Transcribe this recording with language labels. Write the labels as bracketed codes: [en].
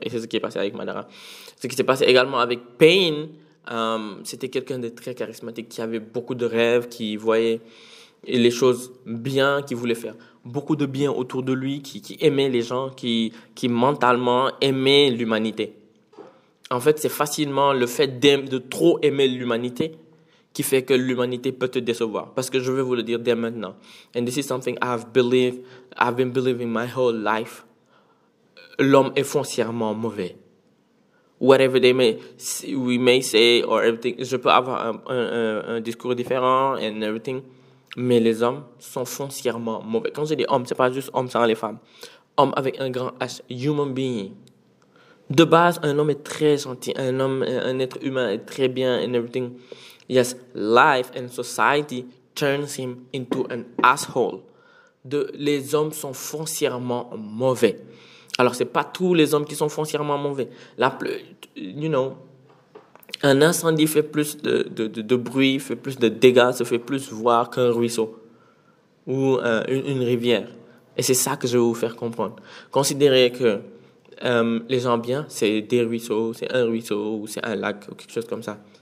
[fr] Et c'est ce qui est passé avec Madara. Ce qui s'est passé également avec Pain, c'était quelqu'un de très charismatique, qui avait beaucoup de rêves, qui voyait les choses bien, qui voulait faire beaucoup de bien autour de lui, qui aimait les gens, qui mentalement aimait l'humanité. En fait, c'est facilement le fait de trop aimer l'humanité qui fait que l'humanité peut te décevoir. Parce que je vais vous le dire dès maintenant. [en] And this is something I've been believing my whole life. [fr] L'homme est foncièrement mauvais. [en] Whatever they may, we may say or everything. [fr] Je peux avoir un discours différent [en] and everything. [fr] Mais les hommes sont foncièrement mauvais. Quand je dis homme, c'est pas juste homme sans les femmes. Homme avec un grand H. [en] Human being. [fr] De base, un homme est très gentil. Un homme, un être humain est très bien [en] and everything. Yes, life and society turns him into an asshole. [fr] Les hommes sont foncièrement mauvais. Alors, c'est pas tous les hommes qui sont foncièrement mauvais. [en] You know, [fr] un incendie fait plus de bruit, fait plus de dégâts, se fait plus voir qu'un ruisseau ou une rivière. Et c'est ça que je vais vous faire comprendre. Considérez que les gens bien, c'est des ruisseaux, c'est un ruisseau ou c'est un lac ou quelque chose comme ça.